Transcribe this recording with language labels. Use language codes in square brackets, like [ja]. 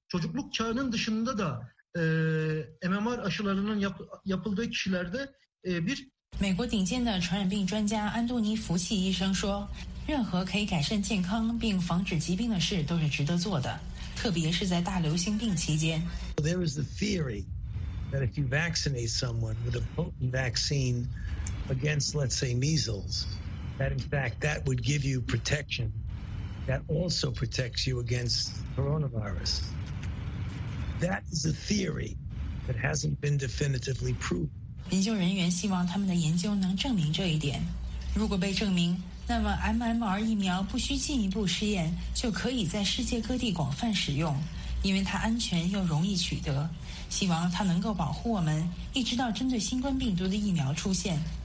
[tr] çocukluk çağının dışında da MMR aşılarının yapıldığı kişilerde bir [zh] 美国顶尖的传染病专家安东尼·福奇医生说，任何可以改善健康并防止疾病的事都是值得做的，特别是在大流行病期间。 [en] There is the theory that if you vaccinate someone with a potent vaccine against, let's say, measles, that in fact that would give you protection that also protects you against coronavirus. That is a theory that hasn't been definitively proven. [zh] 研究人员希望他们的研究能证明这一点。如果被证明，那么 MMR 疫苗不需进一步试验就可以在世界各地广泛使用，因为它安全又容易取得，希望它能够保护我们一直到针对新冠病毒的疫苗出现。